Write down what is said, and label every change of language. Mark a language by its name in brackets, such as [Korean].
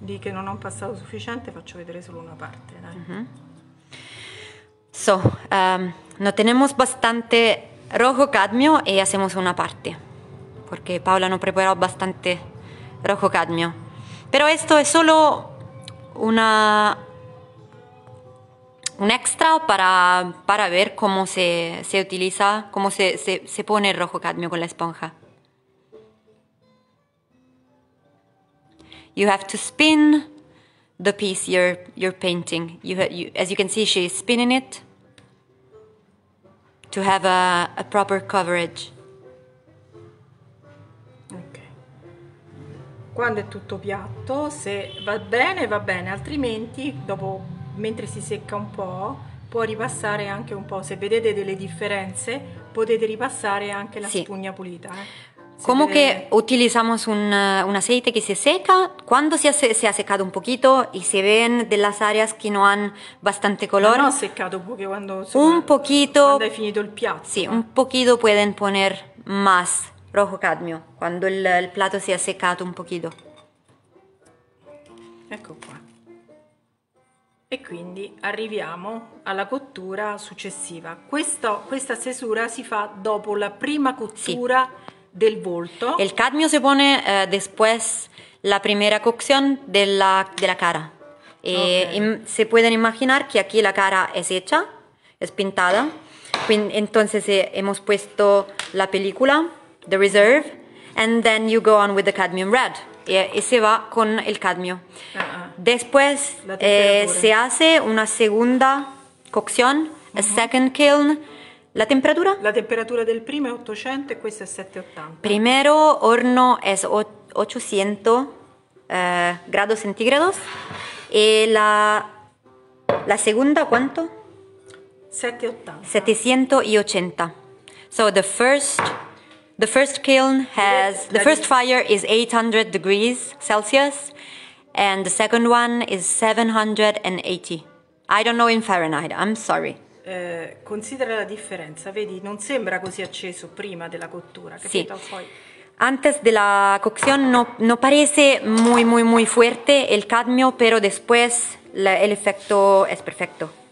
[Italian] di che non ho passato sufficiente, faccio vedere solo una parte, dai. [Spanish] So, no tenemos bastante rojo cadmio e hacemos una parte. Porque Paola no preparó bastante rojo cadmio. Pero esto es solo una un extra para ver cómo se utiliza, cómo se pone el rojo cadmio con la esponja. [English] You have to spin the piece you're painting. As you can see, she is spinning it to have a proper coverage. Okay. [Italian] Quando è tutto piatto, se va bene, va bene, altrimenti dopo, mentre si secca un po', può ripassare anche un po'. Se vedete delle differenze, potete ripassare anche la spugna pulita. Come che utilizziamo un aceite che si secca? Quando si è seccato un pochito e si vede delle aree che non hanno bastante colore? No, ho seccato perché quando, insomma, un pochito, quando hai finito il piatto. [Spanish] Sì, un pochito pueden poner más rojo cadmio, [Italian] quando il plato si è seccato un pochito. Ecco qua. E quindi arriviamo alla cottura successiva. Questa stesura si fa dopo la prima cottura del volto. [Spanish] El cadmio se pone después la primera cocción de la cara. Se pueden imaginar que aquí la cara es hecha, es pintada. Entonces hemos puesto la película, [English] The Reserve, and then you go on with the cadmium red. [Spanish] Y se va con el cadmio. Después se hace una segunda cocción, [English] a second kiln. [Spanish] ¿La temperatura? La temperatura del primo es 800 y questo es 780. Primero horno es 800 grados centígrados. Y la segunda, ¿cuánto? 780. 780. [English] So the first kiln has, the first fire is 800 degrees Celsius and the second one is 780. I don't know in Fahrenheit, I'm sorry. [Italian] Considera la differenza, vedi, non sembra così acceso prima della cottura, capito? Sì. Poi... [Spanish] Antes de la cocción no parece muy muy muy fuerte el cadmio, pero después el efecto es perfecto.